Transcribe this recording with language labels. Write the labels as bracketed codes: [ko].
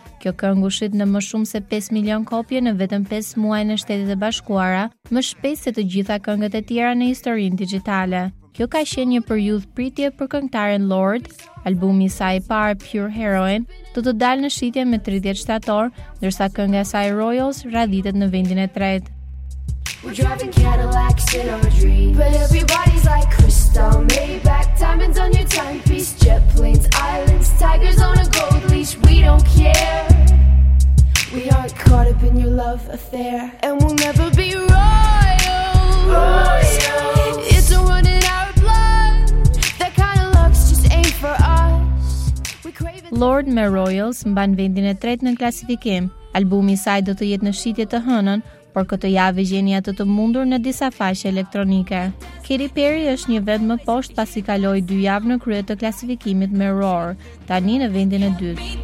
[sq] Kjo këngë u shit në më shumë se 5 milion kopje në vetëm 5 muaj në Shtetet e Bashkuara, më shpejt se të gjitha këngët e tjera në historinë digjitale. Kjo ka qenë një periudhë pritje për këngëtaren Lord. Albumi i saj i parë Pure Heroine do të dalë në shitje me 30 shtator, ndërsa kënga e saj Royals radhitet në vendin e 3. [en] We're driving Cadillacs in our dreams, but everybody's like crystal, Maybach, diamonds on your timepiece, jet planes, islands, tigers on a gold leash, we don't care, we aren't caught up in your love affair, and we'll never be royals, royals. It's a run in our blood, that kind of love's just ain't for us, we crave it. [sq] Lord me Royals mban vendin e tretë në klasifikim. Albumi i saj do të jetë në shitje të hënën, por këtë javë gjeni atë të mundur në disa faqe elektronike. Katy Perry është një vend më poshtë pasi kaloi 2 javë në krye të klasifikimit me Roar, tani në vendin e 2.